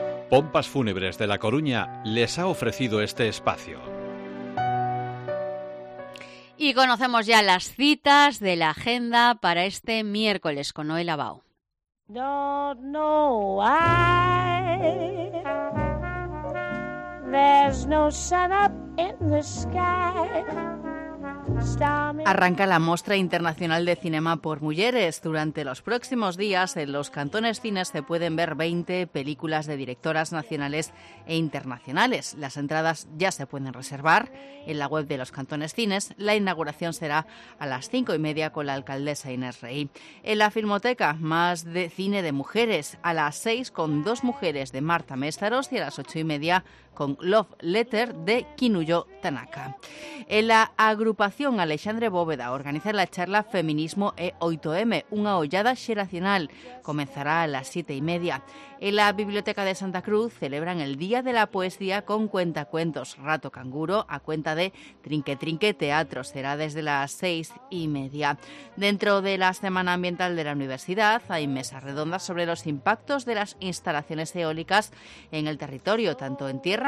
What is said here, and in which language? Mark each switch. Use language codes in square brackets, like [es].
[es] Pompas Fúnebres de La Coruña les ha ofrecido este espacio. Y conocemos ya las citas de la agenda para este miércoles con Noel Abao. [en] Don't know why there's no sun up in the sky. [es] Arranca la Mostra Internacional de Cinema por Mujeres. Durante los próximos días, en los Cantones Cines se pueden ver 20 películas de directoras nacionales e internacionales. Las entradas ya se pueden reservar en la web de los Cantones Cines. La inauguración será a las 5:30 con la alcaldesa Inés Rey. En la Filmoteca, más de cine de mujeres, a las 6 con Dos Mujeres de Marta Méstaros y a las 8:30 con Love Letter de Kinuyo Tanaka. En la agrupación Alexandre Bóveda organiza la charla Feminismo E8M, unha ollada xeracional. Comenzará a las 7:30. En la Biblioteca de Santa Cruz celebran el Día de la Poesía con Cuentacuentos Rato Canguro a cuenta de Trinque Trinque Teatro. Será desde las 6:30. Dentro de la Semana Ambiental de la Universidad hay mesa redonda sobre los impactos de las instalaciones eólicas en el territorio, tanto en tierra